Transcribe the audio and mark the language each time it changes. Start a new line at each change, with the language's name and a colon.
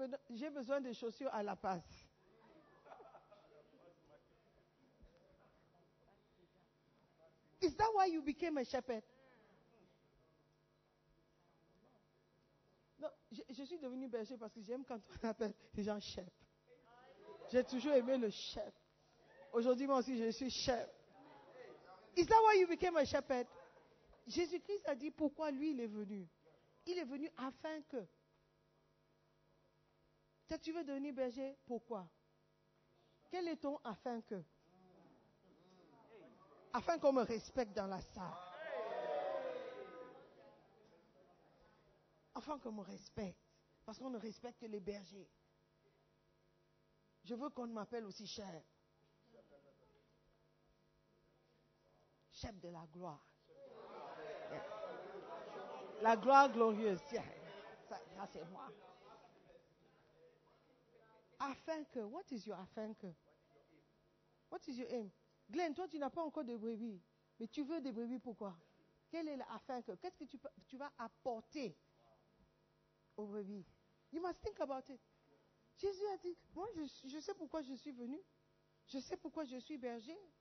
French: j'ai besoin de chaussures à la passe.
English: Is that why you became a shepherd?
French: Non, je suis devenue berger parce que j'aime quand on appelle les gens chef. J'ai toujours aimé le chef. Aujourd'hui, moi aussi, je suis chef.
English: Is that why you became a shepherd?
French: Jésus-Christ a dit pourquoi lui, il est venu. Il est venu afin que. Si tu veux devenir berger, pourquoi? Quel est ton afin que? Afin qu'on me respecte dans la salle. Afin qu'on me respecte. Parce qu'on ne respecte que les bergers. Je veux qu'on m'appelle aussi cher. Chef de la gloire. Yeah. La gloire glorieuse. Yeah. Ça, c'est moi.
English: Afin que, what is your afin que? What is your aim?
French: Glenn, toi, tu n'as pas encore de brebis. Mais tu veux des brebis pourquoi? Quel est l'afin que? Qu'est-ce que tu vas apporter aux brebis?
English: You must think about it.
French: Jésus a dit, moi, je sais pourquoi je suis venu. Je sais pourquoi je suis berger.